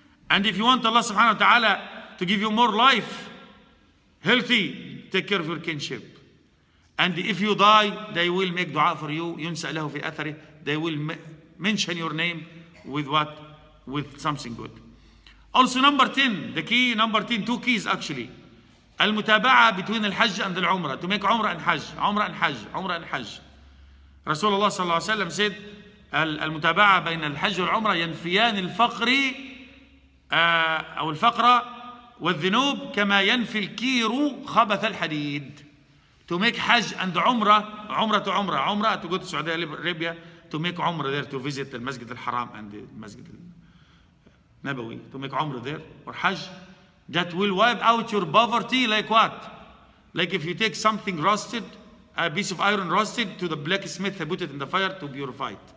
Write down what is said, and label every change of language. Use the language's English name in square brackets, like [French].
[English] And if you want Allah subhanahu wa ta'ala to give you more life, healthy, take care of your kinship. And if you die, they will make dua for you. [Arabic] يُنسَأْ لَهُ فِي أَثَرِهِ. [English] They will mention your name with what? With something good. Also number 10, the key number 10, two keys actually. [Arabic] المتابعة between الحج and العمرة. [English] To make عمرة and حج. عمرة and حج. عمرة and حج. [Arabic] رسول الله صلى الله عليه وسلم said, المتابعة بين الحج والعمرة ينفيان الفقر أو الفقرة والذنوب كما ينفي الكير خبث الحديد. [English] To make حج and عمره, عمره to عمره, عمره to go to Saudi Arabia, to make عمره there, to visit the Masjid al-Haram and the Masjid al-Nabawi, to make عمره there, or حج, that will wipe out your poverty like what? Like if you take something rusted, a piece of iron rusted, to the blacksmith and put it in the fire to purify it.